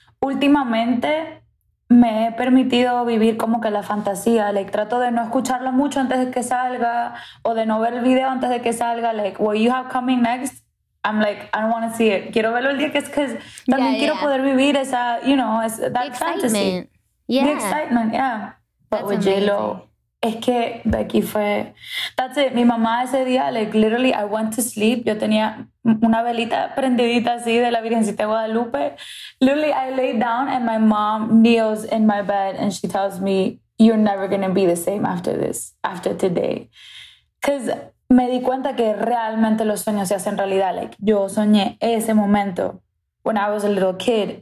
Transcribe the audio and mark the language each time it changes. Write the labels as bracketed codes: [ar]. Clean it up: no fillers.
[es] Últimamente, me he permitido vivir como que la fantasía. [en] Like, [es] trato de no escucharlo mucho antes de que salga, o de no ver el video antes de que salga. [en] Like, what you have coming next, I'm like, I don't want to see it. [es] Quiero verlo el día que es que también quiero poder vivir esa, [en] you know, that the excitement. Fantasy. Yeah. The excitement, yeah. But that's with J-Lo, [es] es que Becky fue, [en] that's it. [es] Mi mamá ese día, [en] like, literally, I went to sleep. [es] Yo tenía una velita prendidita así de la Virgencita de Guadalupe. [en] Literally, I laid down and my mom kneels in my bed and she tells me, you're never going to be the same after this, after today. Because [es] me di cuenta que realmente los sueños se hacen realidad. [en] Like, [es] yo soñé ese momento [en] when I was a little kid.